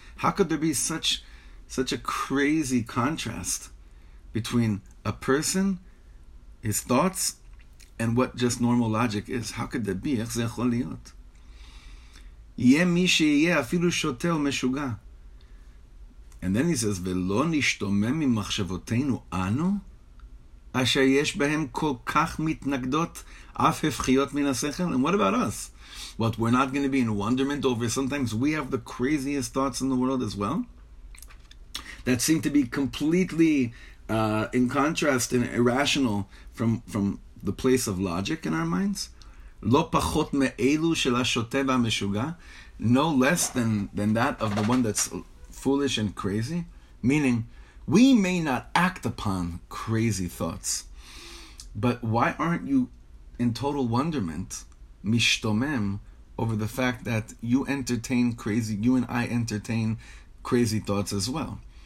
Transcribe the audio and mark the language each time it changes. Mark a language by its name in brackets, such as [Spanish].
[English] How could there be such a crazy contrast between a person, his thoughts, and what just normal logic is? How could that be? [Hebrew] איך זה יכול להיות? יהיה מי שיהיה אפילו שוטה או משוגע. [English] And then he says, [Hebrew] ולא נשתומם ממחשבותינו אנו, אשר יש בהם כל כך מתנגדות, אף הפחיות מן השכל. [English] And what about us? What, we're not going to be in wonderment over? Sometimes we have the craziest thoughts in the world as well, that seem to be completely in contrast and irrational from the place of logic in our minds. [Hebrew] לא פחות מאלו של השוטה והמשוגע, [English] no less than that of the one that's foolish and crazy. Meaning, we may not act upon crazy thoughts, but why aren't you in total wonderment, mishtomem, over the fact that you and I entertain crazy thoughts as well?